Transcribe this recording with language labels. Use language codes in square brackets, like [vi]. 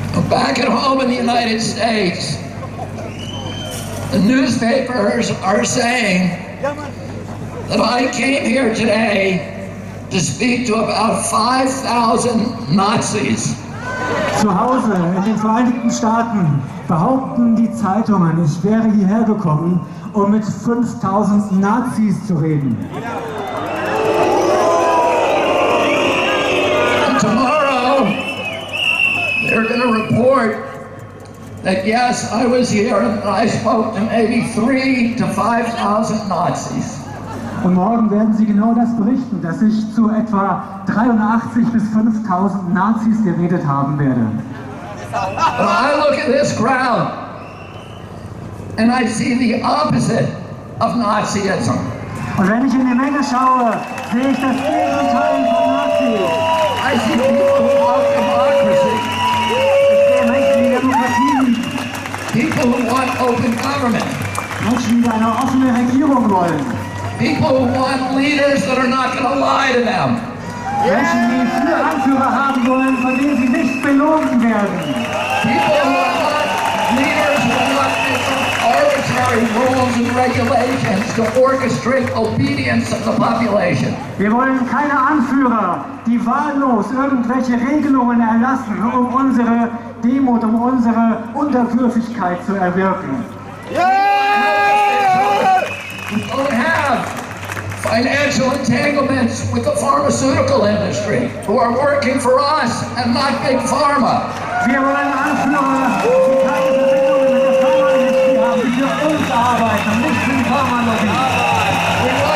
[en] Back at home in the United States, the newspapers are saying that I came here today to speak to about 5,000 Nazis. [de] Zu Hause in den Vereinigten Staaten behaupten die Zeitungen, ich wäre hierher gekommen, um mit 5,000 Nazis zu reden. [en] And tomorrow, they're going to report that yes, I was here and I spoke to maybe 3,000 to 5,000 Nazis. [de] Und morgen werden sie genau das berichten, dass ich zu etwa 83 bis 5,000 Nazis geredet haben werde. [en] But I look at this crowd and I see the opposite of Nazism. [de] Und wenn ich in die Menge schaue, sehe ich das Gegenteil von Nazis. [en] I see people who love democracy. People who want open government. [de] Menschen, die eine offene Regierung wollen. [en] People who want leaders that are not going to lie to them. Yeah. [de] Menschen, die viele Anführer haben wollen, von denen sie nicht belogen werden. [en] People who want leaders who want arbitrary rules and regulations to orchestrate obedience of the population. [de] Wir wollen keine Anführer, die wahllos irgendwelche Regelungen erlassen, um unsere Demut, um unsere Unterwürfigkeit zu erwirken. Yeah! [en] We don't have financial entanglements with the pharmaceutical industry who are working for us and not big pharma. [de] Wir wollen Anführer, die keine Verbindungen mit der Pharmaindustrie haben, die für uns arbeiten, nicht für die Pharma-Lobby.